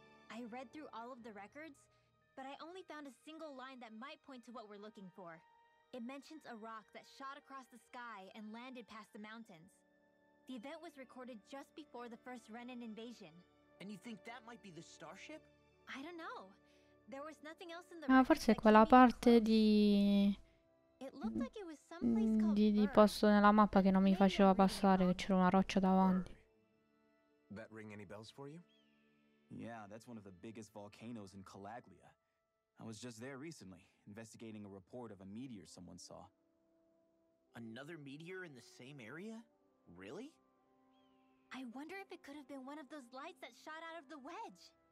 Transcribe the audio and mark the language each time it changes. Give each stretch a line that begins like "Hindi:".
English: I read through all of the records, but I only found a single line that might point to what we're looking for. It mentions a rock that shot across the sky and landed past the mountains. The event was recorded just before the first Renan invasion. And you think that might be the starship? I don't know. There was nothing else in the
Italian: ah, forse quella parte di di posto nella mappa che non mi faceva passare, che c'era una roccia davanti.
English: That ring any bells for you? Yeah, that's one of the biggest volcanoes in Calaglia. I was just there recently, investigating a report of a meteor someone saw. Another meteor in the same area? Really? I wonder if it could have been one of those lights that shot out of the wedge.